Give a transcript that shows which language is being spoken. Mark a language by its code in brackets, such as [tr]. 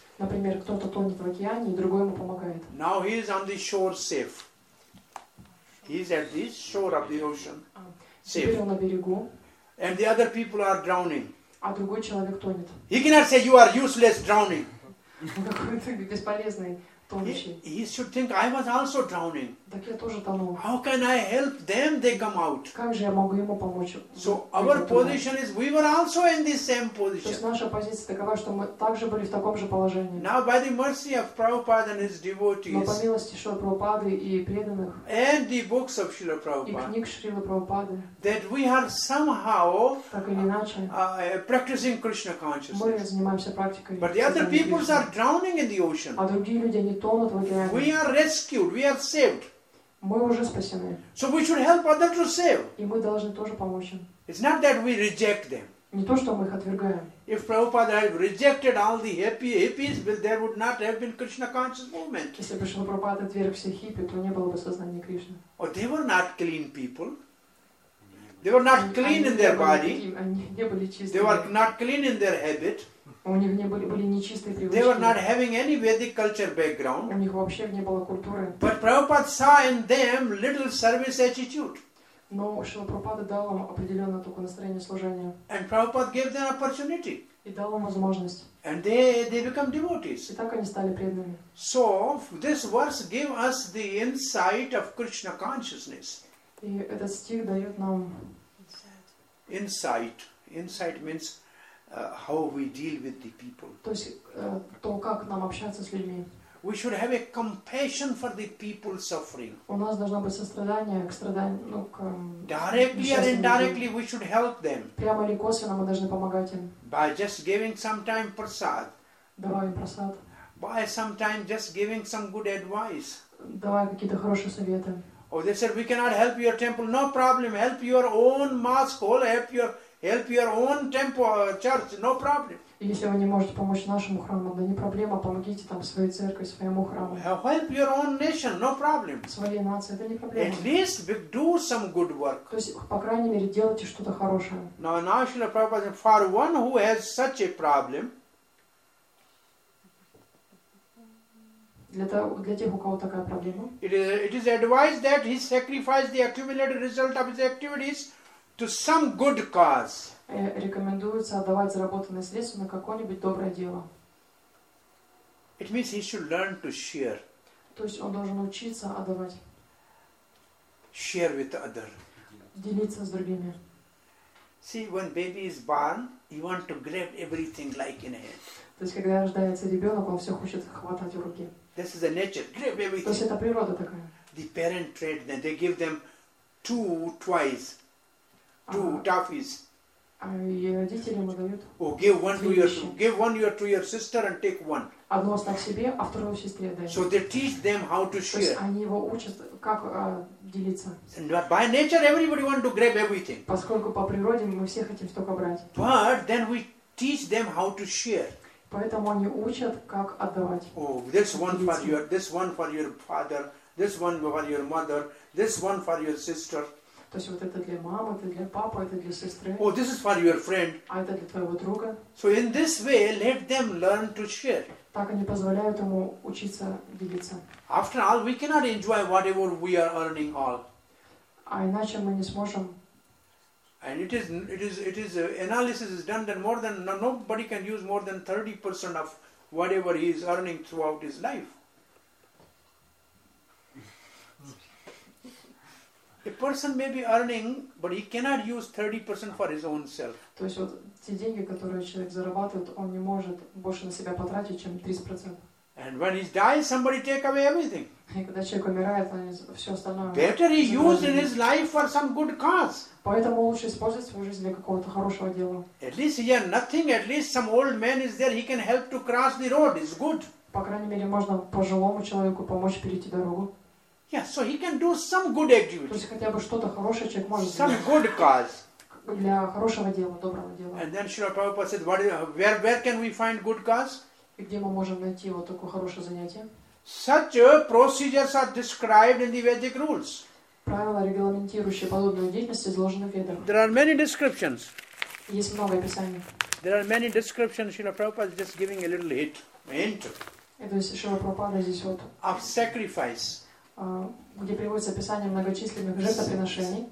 [ru] Например, кто-то тонет в океане, и другой ему помогает. [en] Now he is on the shore safe. He is at the shore of the ocean. [ru] Теперь он на берегу. [en] And the other people are drowning. [ru] А другой человек тонет. [en] He cannot say you are useless drowning. [ru] Какой-то бесполезный. [en] He should think I was also drowning. [ru] Так я тоже тонул. [en] How can I help them? They come out. [ru] Как же я могу ему помочь? [en] So our position is we were also in the same position. [ru] То есть наша позиция такова, что мы также были в таком же положении. [en] Now by the mercy of Prabhupada and his devotees. [ru] Но по милости Шрилы Прабхупады и преданных. [en] And the books of Srila Prabhupada. [ru] И книг Шрилы Прабхупады. [en] That we are somehow. [ru] Так или иначе. [en] Practicing Krishna consciousness. [ru] Мы занимаемся практикой. [en] But the other people are drowning in the ocean. [ru] А другие люди. [en] We are rescued. We are saved. [ru] Мы уже спасены. [en] So we should help others to save. [ru] И мы должны тоже помочь им. [en] It's not that we reject them. [ru] Не то, что мы их отвергаем. [en] If Prabhupada had rejected all the hippies, there would not have been Krishna conscious movement. [ru] Если бы Шрила Прабхупада отверг все хиппи, то не было бы сознания Кришны. [en] Oh, they were not clean people. They were not clean in their body. [ru] Они не были чистыми. [en] They were not clean in their habit. [ru] У них не были нечистые привычки. [en] They were not having any Vedic culture background. [ru] У них вообще не было культуры. [en] But Prabhupada saw in them little service attitude. [ru] Но Шрила Прабхупада дал им определенное только настроение служения. [en] And Prabhupada gave them opportunity. [ru] И дал им возможность. [en] And they become devotees. [ru] И так они стали преданными. [en] So this verse gave us the insight of Krishna consciousness. [ru] И этот стих дает нам [en] insight. Insight means how we deal with the people. [ru] То есть то, как нам общаться с людьми. [en] We should have a compassion for the people suffering. [ru] У нас должно быть сострадание к страданиям, ну к. [en] Directly or indirectly, we should help them. [ru] Прямо или косвенно мы должны помогать им. [en] By just giving some time prasad. [ru] Давай им прасад. [en] By some time just giving some good advice. [ru] Давай какие-то хорошие советы. [en] Oh, they said we cannot help your temple. No problem. Help your own mosque. Help your own temple, church. No problem. [ru] Если вы не можете помочь нашему храму, да не проблема. Помогите там своей церкви, своему храму. [en] Help your own nation. No problem. [ru] Своей нации, это не проблема. [en] At least do some good work. [ru] То есть по крайней мере делайте что-то хорошее. [en] Now, Srila Prabhupada, for one who has such a problem. [ru] Для тех, у кого такая проблема. [en] It is advised that he sacrifice the accumulated result of his activities to some good cause. [ru] Рекомендуется отдавать заработанные средства на какое-нибудь доброе дело. [en] It means he should learn to share. [ru] То есть он должен учиться отдавать. [en] Share with other. [ru] Делиться с другими. [en] See, when baby is born, you want to grab everything like in a hand. [ru] То есть когда рождается ребенок, он все хочет хватать в руки. [en] This is the nature. Grab everything. [ru] То есть это природа такая. [en] The parent trade, then they give them two toffees. [ru] родителям дают. [en] Oh, give one to your, give one your to your sister and take one. [ru] Одну оставь себе, а вторую сестре дай. [en] So they teach them how to share. [ru] То есть они его учат, как делиться. [en] And by nature, everybody wants to grab everything. [ru] Поскольку по природе мы все хотим только брать. [en] But then we teach them how to share. [ru] Поэтому они учат, как отдавать. [en] Oh, this one for your, this one for your father, this one for your mother, this one for your sister. [ru] То есть вот это для мамы, это для папы, это для сестры. [en] Oh, this is for your friend. [ru] А это для твоего друга. [en] So in this way, let them learn to share. [ru] Так они позволяют ему учиться делиться. [en] After all, we cannot enjoy whatever we are earning all. [ru] А иначе мы не сможем. [en] And it is analysis is done that more than nobody can use more than 30% of whatever he is earning throughout his life. A person may be earning, but he cannot use 30% for his own self. [ru] То есть вот те деньги, которые человек зарабатывает, он не может больше на себя потратить, чем 30%. [en] And when he dies, somebody take away everything. [ru] И когда человек умирает, он все остальное. [en] Better he used in his life for some good cause. [ru] Поэтому лучше использовать свою жизнь для какого-то хорошего дела. [en] At least he had nothing. At least some old man is there. He can help to cross the road. It's good. [ru] По крайней мере, можно пожилому человеку помочь перейти дорогу. [en] Yeah, so he can do some good activity. [ru] То есть хотя бы что-то хорошее человек может сделать. [en] Some good cause. [ru] Для хорошего дела, доброго дела. [en] And then Srila Prabhupada said, where can we find good cause? [ru] И где мы можем найти вот такое хорошее занятие? [en] Such procedures are described in the Vedic rules. [ru] Правила, регламентирующие подобную деятельность, изложены в Ведах. [en] There are many descriptions. [ru] Есть много описаний. [en] There are many descriptions. Srila Prabhupada is just giving a little hint. Enter. [ru] Это есть Шрила Прабхупада здесь вот. [en] Of sacrifice. [ru] Где приводится описание многочисленных жертвоприношений.